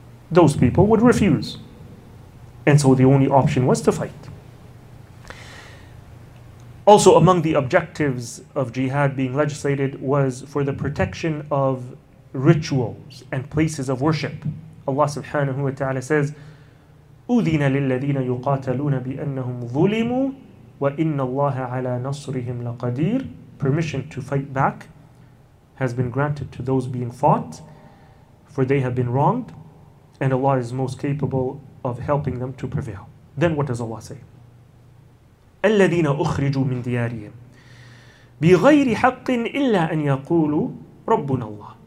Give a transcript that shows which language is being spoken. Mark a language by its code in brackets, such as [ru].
[en] Those people would refuse. And so the only option was to fight. Also, among the objectives of jihad being legislated was for the protection of rituals and places of worship. Allah subhanahu wa ta'ala says, [ar] أُذِنَ لِلَّذِينَ يُقَاتَلُونَ بِأَنَّهُمْ ظُلِمُوا وَإِنَّ اللَّهَ عَلَىٰ نَصْرِهِمْ لَقَدِيرٌ. [en] Permission to fight back has been granted to those being fought, for they have been wronged, and Allah is most capable of helping them to prevail. Then what does Allah say? [ar] الَّذِينَ أُخْرِجُوا مِنْ دِيَارِهِمْ بِغَيْرِ حَقٍ إِلَّا أَنْ يَقُولُوا رَبُّنَ اللَّهُ.